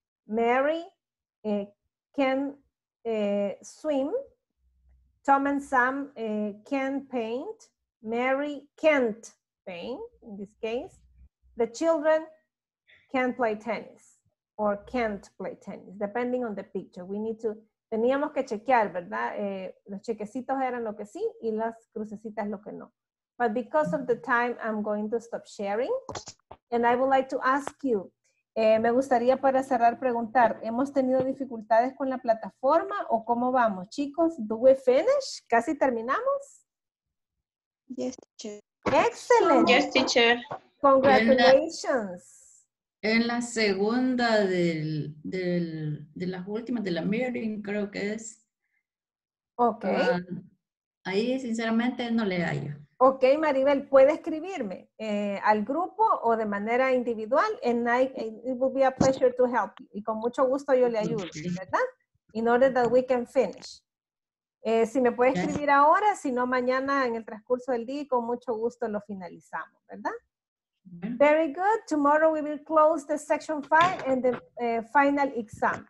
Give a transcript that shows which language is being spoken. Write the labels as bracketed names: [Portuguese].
[English] Mary can swim. Tom and Sam can paint. Mary can't paint, in this case. The children can't play tennis, or can't play tennis, depending on the picture. We need to, [Spanish] teníamos que chequear, ¿verdad? Los chequecitos eran lo que sí, y las crucecitas lo que no. [English] But because of the time, I'm going to stop sharing. And I would like to ask you, [Spanish] me gustaría para cerrar preguntar, ¿hemos tenido dificultades con la plataforma o cómo vamos, chicos? [English] ¿Do we finish? [Spanish] ¿Casi terminamos? [English] Yes, teacher. Excellent. Yes, teacher. Congratulations. [Spanish] En la segunda de las últimas, de la meeting, creo que es. Ok. Ahí, sinceramente, no le hallo. Ok, Maribel, ¿puede escribirme al grupo o de manera individual? [English] And it will be a pleasure to help you. [Spanish] Y con mucho gusto yo le ayudo, ¿verdad? [English] In order that we can finish. [Spanish] Si me puede escribir ahora, si no mañana en el transcurso del día, con mucho gusto lo finalizamos, ¿verdad? [English] Very good. Tomorrow we will close the section 5 and the final exam.